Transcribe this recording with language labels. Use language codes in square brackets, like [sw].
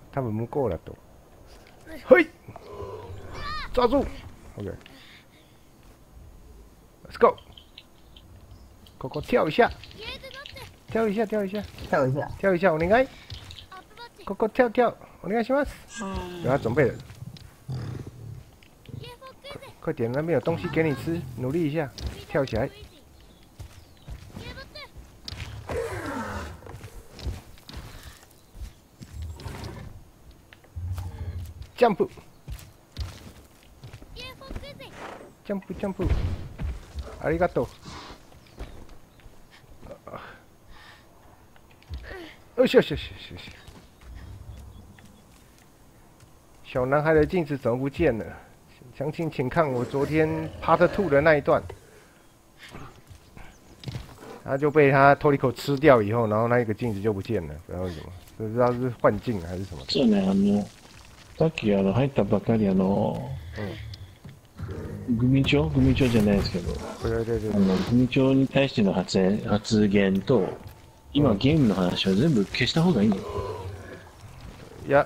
[ja] 多分向こうだと。はい。さあぞ。オッケー。 [en] Let's go。 [zh] ここ跳一下。跳一下、跳一下。跳一下。跳一下、 [ja] お願い。ここ [zh] 跳跳、 [ja] お願いします。 [zh] 要准备了。快点，那边有东西给你吃，努力一下，跳起来。 [en] Jump! Jump! Jump! [ja] ありがとう。よしよしよしよしよし。 [zh] 小男孩的镜子怎么不见了？详情请看我昨天 Part 2的那一段，他就被他 Toriko 吃掉以后，然后那个镜子就不见了，不知道什么，不知道是幻境还是什么。 [ja] そうね、あの、さっきあの入ったばかりあの、グミチョ？グミチョじゃないですけど、 [zh] 对对对、 [ja] あのグミチョに対しての発言と、今ゲームの話は全部消した方がいいの？いや、